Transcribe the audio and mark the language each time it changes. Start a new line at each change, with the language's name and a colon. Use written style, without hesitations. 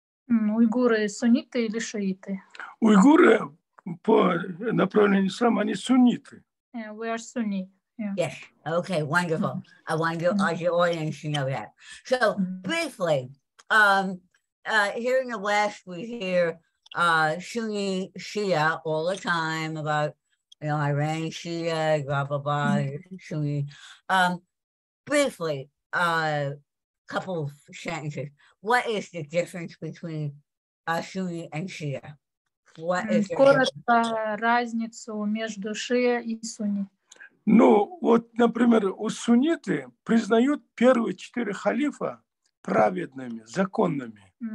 Russian: Уйгуры сунниты или шииты? Уйгуры по направлению ислама, они сунниты.
English: We are Sunni, Yes. Okay, wonderful. Mm-hmm. I want your audience to know that. So briefly, here in the West, we hear Sunni Shia all the time about, you know, Iran Shia, blah, blah, blah, Sunni. Briefly, a couple of sentences. What is the difference between Sunni and Shia?
Russian: Ну, вот, например, суниты признают первые четыре халифа праведными, законными.